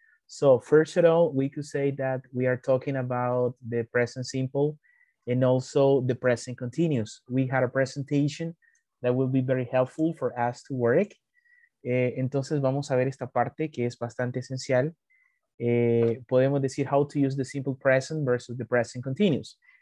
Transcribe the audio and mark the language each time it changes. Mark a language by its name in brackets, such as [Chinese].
[English] So first of all, we could say that we are talking about the present simple and also the present continuous. We had a presentation that will be very helpful for us to work. [Spanish] Entonces vamos a ver esta parte que es bastante esencial. Podemos decir [English] how to use the simple present versus the present continuous.